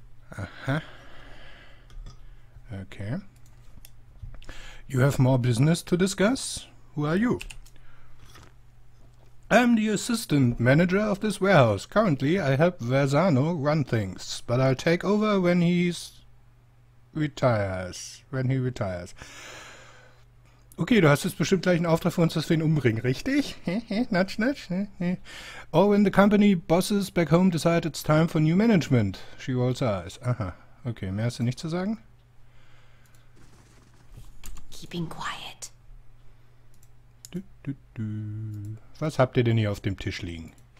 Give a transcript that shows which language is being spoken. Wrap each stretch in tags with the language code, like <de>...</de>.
<en>Aha. Okay. You have more business to discuss? Who are you? I'm the assistant manager of this warehouse. Currently, I help Verzano run things, but I'll take over when he retires.</en> <de>Okay, du hast jetzt bestimmt gleich einen Auftrag für uns, dass wir ihn umbringen, richtig? Natsch, natsch.</de> <en>Or when the company bosses back home decide it's time for new management. She rolls her eyes.</en> <de>Aha, okay, mehr hast du nicht zu sagen?</de> <en>Keeping quiet.</en> <de>Du. Was habt ihr denn hier auf dem Tisch liegen?</de>